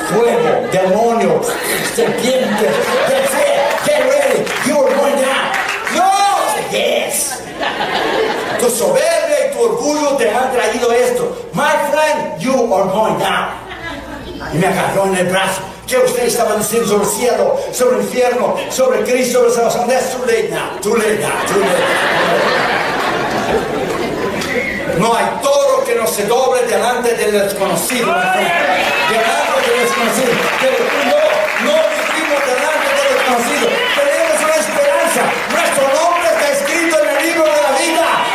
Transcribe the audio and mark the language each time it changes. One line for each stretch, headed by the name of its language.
Spanish: Fuego, demonio, serpiente,
English: get ready, you're going down.
Spanish: No, yes. Tu soberbia y tu orgullo te ha traído esto.
English: My friend, you are going down.
Spanish: Y me agarró en el brazo. ¿Qué usted estaba diciendo sobre el cielo, sobre el infierno, sobre Cristo, sobre salvación?
English: That's too late now, too late now, too late.
Spanish: No hay toro que no se doble delante del desconocido. Delante del desconocido. Pero no, no vivimos delante del desconocido. Tenemos una esperanza. Nuestro nombre está escrito en el libro de la vida.